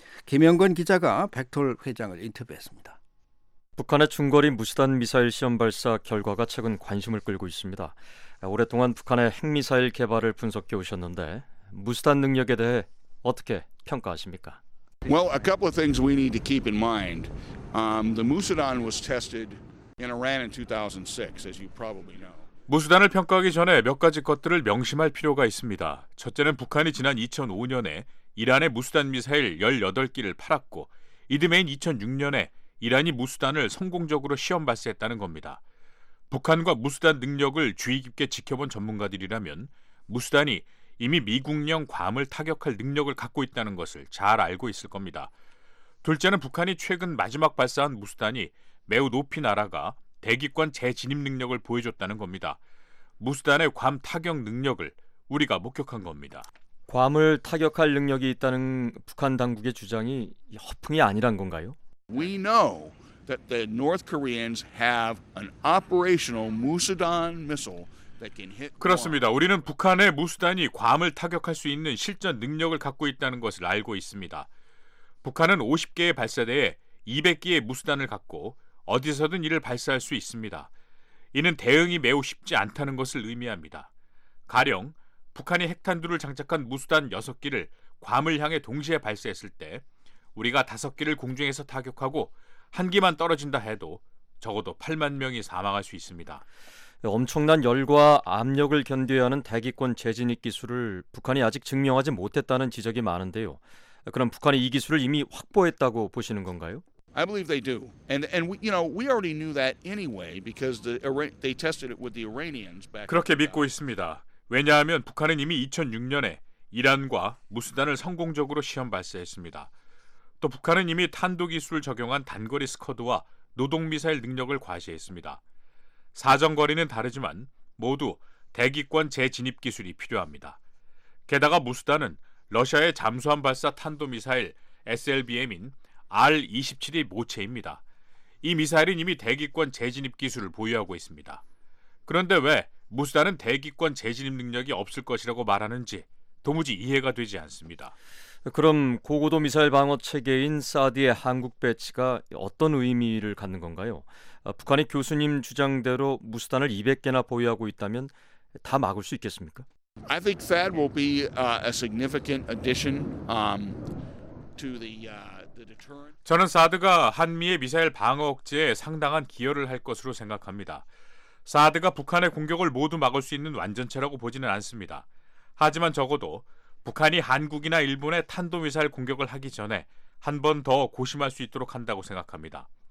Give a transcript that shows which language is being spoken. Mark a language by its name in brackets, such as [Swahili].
[Korean] 김영건 기자가 백톨 회장을 인터뷰했습니다. 북한의 중거리 무수단 미사일 시험 발사 결과가 최근 관심을 끌고 있습니다. 오랫동안 북한의 핵미사일 개발을 분석해 오셨는데 무수단 능력에 대해 어떻게 평가하십니까? [English] Well, a couple of things we need to keep in mind. The Musudan was tested in Iran in 2006, as you probably know. [Korean] 무수단을 평가하기 전에 몇 가지 것들을 명심할 필요가 있습니다. 첫째는 북한이 지난 2005년에 이란의 무수단 미사일 18기를 팔았고 이듬해인 2006년에 이란이 무수단을 성공적으로 시험 발사했다는 겁니다. 북한과 무수단 능력을 주의 깊게 지켜본 전문가들이라면 무수단이 이미 미국령 괌을 타격할 능력을 갖고 있다는 것을 잘 알고 있을 겁니다. 둘째는 북한이 최근 마지막 발사한 무수단이 매우 높이 날아가 대기권 재진입 능력을 보여줬다는 겁니다. 무수단의 괌 타격 능력을 우리가 목격한 겁니다. 괌을 타격할 능력이 있다는 북한 당국의 주장이 허풍이 아니란 건가요? [English] We know that the North Koreans have an operational Musudan missile. [Korean] 그렇습니다. 우리는 북한의 무수단이 괌을 타격할 수 있는 실전 능력을 갖고 있다는 것을 알고 있습니다. 북한은 50개의 발사대에 200개의 무수단을 갖고 어디서든 이를 발사할 수 있습니다. 이는 대응이 매우 쉽지 않다는 것을 의미합니다. 가령 북한이 핵탄두를 장착한 무수단 6기를 괌을 향해 동시에 발사했을 때 우리가 5기를 공중에서 타격하고 한 기만 떨어진다 해도 적어도 8만 명이 사망할 수 있습니다. 엄청난 열과 압력을 견뎌야 하는 대기권 재진입 기술을 북한이 아직 증명하지 못했다는 지적이 많은데요. 그럼 북한이 이 기술을 이미 확보했다고 보시는 건가요? [English] I believe they do. And we, you know, we already knew that anyway because they tested it with the Iranians back. [Korean] 그렇게 믿고 있습니다. 왜냐하면 북한은 이미 2006년에 이란과 무수단을 성공적으로 시험 발사했습니다. 또 북한은 이미 탄도 기술을 적용한 단거리 스커드와 노동미사일 능력을 과시했습니다. 사정거리는 다르지만 모두 대기권 재진입 기술이 필요합니다. 게다가 무수단은 러시아의 잠수함 발사 탄도미사일 SLBM인 R-27이 모체입니다. 이 미사일은 이미 대기권 재진입 기술을 보유하고 있습니다. 그런데 왜 무수단은 대기권 재진입 능력이 없을 것이라고 말하는지 도무지 이해가 되지 않습니다. 그럼 고고도 미사일 방어 체계인 사드의 한국 배치가 어떤 의미를 갖는 건가요? 북한이 교수님 주장대로 무수단을 200개나 보유하고 있다면 다 막을 수 있겠습니까? [English] I think that will be a significant addition to the deterrent. [Korean] 저는 사드가 한미의 미사일 방어 억제에 상당한 기여를 할 것으로 생각합니다. 사드가 북한의 공격을 모두 막을 수 있는 완전체라고 보지는 않습니다. 하지만 적어도 북한이 한국이나 일본에 탄도미사일 공격을 하기 전에 한 번 더 고심할 수 있도록 한다고 생각합니다.